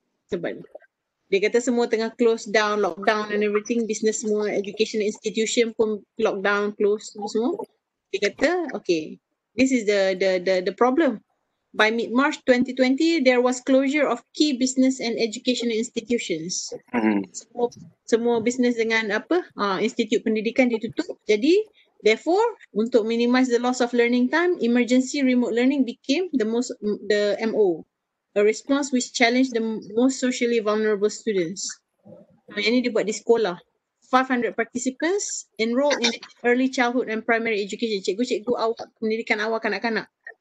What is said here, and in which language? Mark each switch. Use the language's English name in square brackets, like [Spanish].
[Malay] Sebab dia kata semua tengah close down, [English] lockdown and everything, [Malay] business semua, education institution pun lockdown, close semua. Dia kata, [English] okay, this is the problem. By mid-March 2020, there was closure of key business and education institutions. [Malay] Semua, semua business dengan apa, institut pendidikan ditutup. [English] Jadi, therefore, untuk minimize the loss of learning time, emergency remote learning became the most, the MO. A response which challenged the most socially vulnerable students. [Malay] Yang ni dia buat di sekolah. [English] 500 participants enrolled in early childhood and primary education. [Malay] Cikgu-cikgu awak, pendidikan awak kanak-kanak.